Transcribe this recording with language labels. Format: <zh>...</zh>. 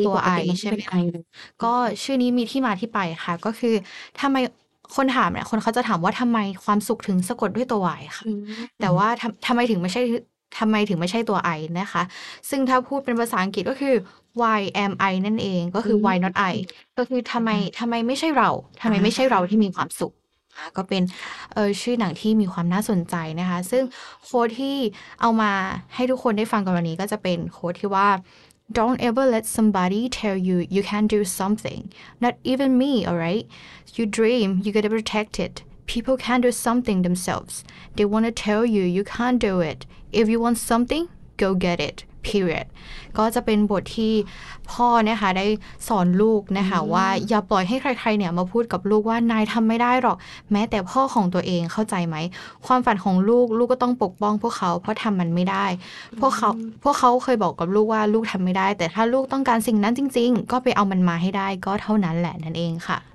<th>ตัว I ใช่ไหมคะก็ชื่อนี้มีที่มาที่ไปค่ะก็คือทำไมคนถามเนี่ยคนเขาจะถามว่าทำไมความสุขถึงสะกดด้วยตัว Y ค่ะแต่ว่าทำไมถึงไม่ใช่ทำไมถึงไม่ใช่ตัว I นะคะซึ่งถ้าพูดเป็นภาษาอังกฤษก็คือ</th> <en>Why am I</en> <th>นั่นเองก็คือ</th> <en>Why not I</en> <th>ก็คือทำไมไม่ใช่เราทำไมไม่ใช่เราที่มีความสุขก็เป็น ชื่อหนังที่มีความน่าสนใจนะคะซึ่งโค้ดที่เอามาให้ทุกคนได้ฟังกันวันนี้ก็จะเป็นโค้ดที่ว่า</th> <en>Don't ever let somebody tell you you can do something. Not even me, alright? You dream, you gotta protect it. People can do something themselves. They wanna tell you you can't do it. If you want something, go get it. Period.</en> <th>ก็จะเป็นบทที่พ่อนะคะได้สอนลูกนะคะว่าอย่าปล่อยให้ใครๆเนี่ยมาพูดกับลูกว่านายทำไม่ได้หรอกแม้แต่พ่อของตัวเองเข้าใจไหมความฝันของลูกลูกก็ต้องปกป้องพวกเขาเพราะทำมันไม่ได้พวกเขาเคยบอกกับลูกว่าลูกทำไม่ได้แต่ถ้าลูกต้องการสิ่งนั้นจริงๆก็ไปเอามันมาให้ได้ก็เท่านั้นแหละนั่นเองค่ะ</th>